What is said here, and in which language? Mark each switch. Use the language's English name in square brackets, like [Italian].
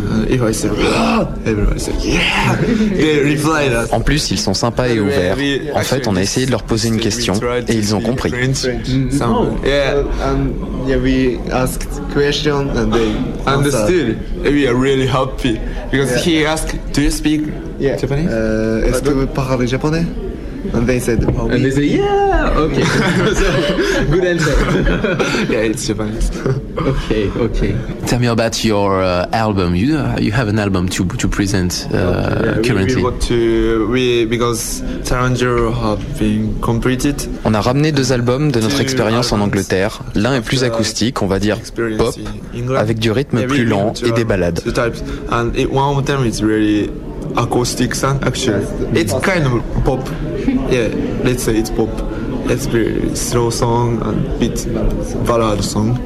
[English] If I say, everyone says, yeah, they reply that. [French] En plus, ils sont sympas et ouverts. En fait, on a essayé de leur poser une question et ils ont compris. [English] We asked questions and they understood. We are really happy because he asked, "Do you speak Japanese? [French] Est-ce que vous parlez japonais?" [English] And they said, oh, and they say, yeah, okay. So, good answer. Yeah, it's Japanese. Okay. Tell me about your album. You have an album to present currently. Because Challenger have been completed. [French] On a ramené deux albums de notre expérience en Angleterre. L'un est plus acoustique, on va dire pop, avec du rythme plus lent et des ballades. [English] And one of them is really acoustic sound, actually. Yes, it's kind of pop. Yeah, let's say it's pop. It's a slow song and a bit ballad song.